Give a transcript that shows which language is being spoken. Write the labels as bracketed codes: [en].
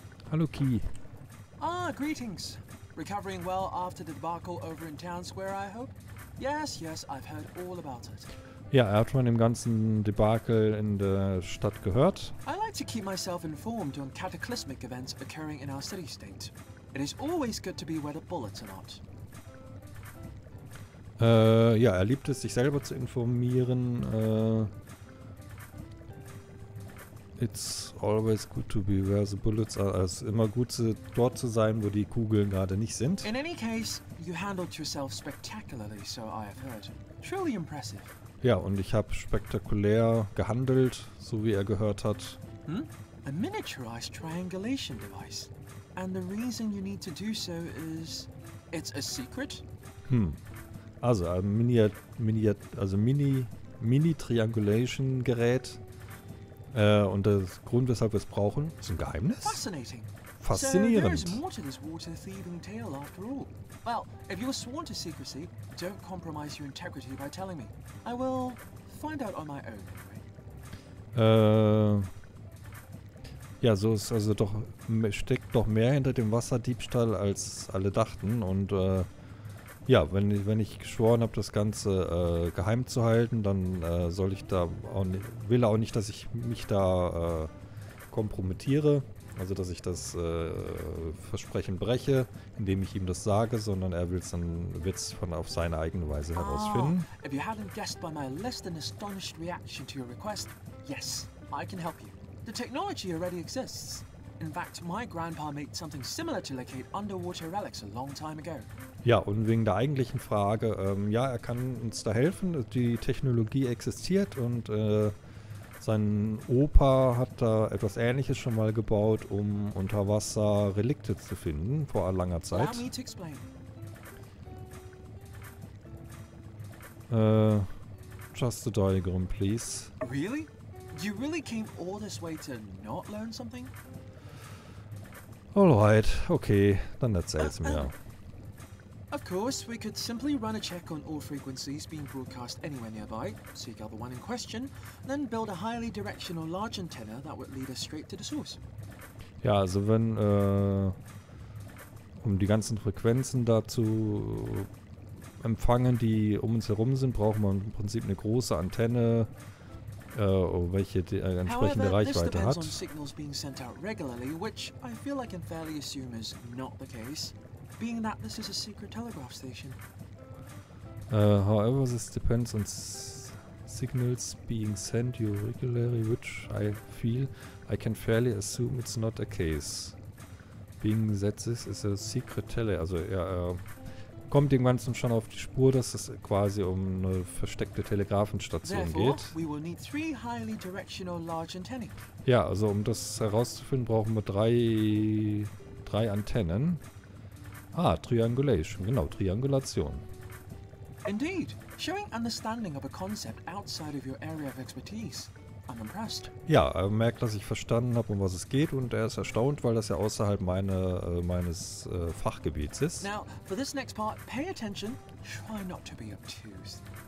[de] Hallo, Key. [en] Ah, greetings. Recovering well after the debacle over in Town Square, I hope? Yes, yes, I've heard all about it. [de] Ja, er hat von dem ganzen Debakel in der Stadt gehört. [en] I like to keep myself informed on cataclysmic events occurring in our city-state. It is always good to be where the bullets are not. [de] Ja, er liebt es, sich selber zu informieren. [en] It's always good to be where the bullets are. [de] Es ist immer gut, dort zu sein, wo die Kugeln gerade nicht sind. [en] In any case, you handled yourself spectacularly, so I have heard. Truly impressive. [de] Ja, und ich habe spektakulär gehandelt, so wie er gehört hat. [en] Hm? A miniaturized triangulation device. And the reason you need to do so is... It's a secret? [de] Hm. Also, Mini-Triangulation-Gerät. Und der Grund, weshalb wir es brauchen, ist ein Geheimnis. [en] Fascinating. [de] Faszinierend. [en] So, there is more to this water thieving tale after all. Well, if you're sworn to secrecy, don't compromise your integrity by telling me. I will find out on my own. [de] Ja, so ist also doch, steckt doch mehr hinter dem Wasserdiebstahl, als alle dachten. Und ja, wenn ich geschworen habe, das Ganze geheim zu halten, dann soll ich da auch nicht, will auch nicht, dass ich mich da kompromittiere. Also, dass ich das Versprechen breche, indem ich ihm das sage, sondern er will es dann wird's von auf seine eigene Weise herausfinden. [en] Ah, if you hadn't guessed by my less than astonished reaction to your request, yes, I can help you. The technology already exists. In fact, my grandpa made something similar to locate underwater relics a long time ago. [de] Ja, und wegen der eigentlichen Frage, ja, er kann uns da helfen. Die Technologie existiert und sein Opa hat da etwas Ähnliches schon mal gebaut, um unter Wasser Relikte zu finden, vor langer Zeit. [en] Allow me to explain. Just a diagram, please. Really? You really came all this way to not learn something? Alright, okay, [de] dann erzähl's mir. [en] Of course, we could simply run a check on all frequencies being broadcast anywhere nearby, seek out the one in question, then build a highly directional large antenna that would lead us straight to the source. [de] Ja, also wenn, um die ganzen Frequenzen da zu empfangen, die um uns herum sind, braucht man im Prinzip eine große Antenne, welche die entsprechende [en] However, [de] Reichweite hat. [en] However, this depends on signals being sent out regularly, which I feel like I can fairly assume is not the case. Being that this is a secret telegraph station. However, this depends on signals being sent you regularly, which I feel I can fairly assume it's not a case. Being that this is a secret tele... [de] Also, er kommt dem Ganzen schon auf die Spur, dass es quasi um eine versteckte Telegrafenstation geht. [en] We will need three highly directional large antennae. [de] Ja, also, um das herauszufinden, brauchen wir drei Antennen. Ah, Triangulation, genau, Triangulation. [en] Indeed, showing understanding of a concept outside of your area of expertise. I'm impressed. [de] Ja, er merkt, dass ich verstanden habe, um was es geht, und er ist erstaunt, weil das ja außerhalb meines Fachgebiets ist. [en] Now, for this next part, pay attention, try not to be obtuse.